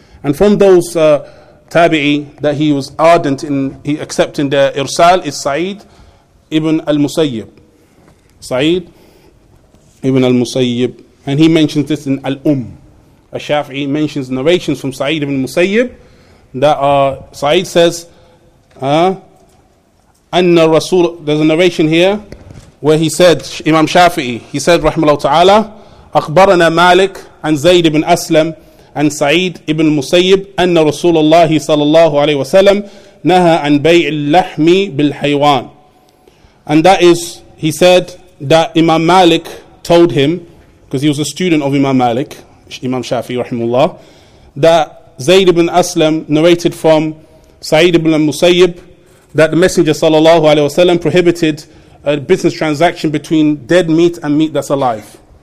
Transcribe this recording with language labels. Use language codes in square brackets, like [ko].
[en] And from those tabi'i that he was ardent in he accepting the irsal is Sa'id ibn al-Musayyib. Sa'id ibn al-Musayyib. And he mentions this in Al-Umm. Al-Shafi'i mentions narrations from Sa'id ibn al-Musayyib that Sa'id says, [ar] "Anna Rasul." There's a narration here where he said, Imam Shafi'i, he said, rahimahullah ta'ala, أَخْبَرَنَا مَالِكْ عَنْ زَيْدِ ibn أَسْلَمْ عَنْ سَعِيدْ ibn مُسَيِّبْ أَنَّ رَسُولَ اللَّهِ صَلَى اللَّهُ عَلَيْهِ وَسَلَمْ نَهَا عَنْ بَيْعِ اللَّحْمِ بِالْحَيْوَانِ. [en] And that is, he said that Imam Malik told him, because he was a student of Imam Malik, Imam Shafi'i, rahimahullah, that Zayd ibn Aslam narrated from Sa'id ibn Musayyib that the Messenger صلى الله عليه وسلم prohibited a business transaction between dead meat and meat that's alive.